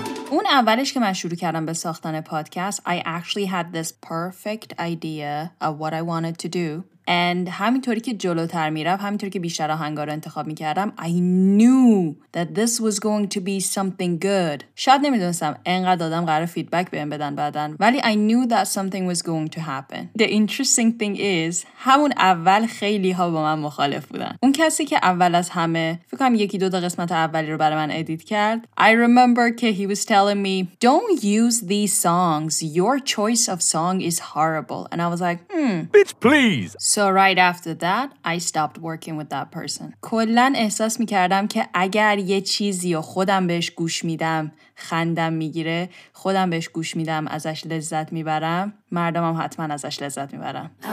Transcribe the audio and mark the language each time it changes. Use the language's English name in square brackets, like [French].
[Persian] اون اولش که من شروع کردم به ساختن پادکست، [English] I actually had this perfect idea of what I wanted to do. [Persian] And همینطوری که جلوتر میرفت، همینطوری که بیشتر آهنگا رو انتخاب میکردم، [English] I knew that this was going to be something good. [Persian] شاید نمیدونستم انقدر آدم قرار فیدبک بهم بدن بعدن، ولی [English] I knew that something was going to happen. The interesting thing is [Persian] همون اول خیلی ها با من مخالف بودن. اون کسی که اول از همه فکر کنم یکی دو تا قسمت اولی رو برای من ادیت کرد، [English] I remember [Persian] که [English] he was telling me don't use these songs, your choice of song is horrible. And I was like bitch please. So right after that, I stopped working with that person. [Persian] کلن احساس میکردم که اگر یه چیزی رو خودم بهش گوش میدم، خندم میگیره، خودم بهش گوش میدم، ازش لذت میبرم، مردم هم حتما ازش لذت میبرم.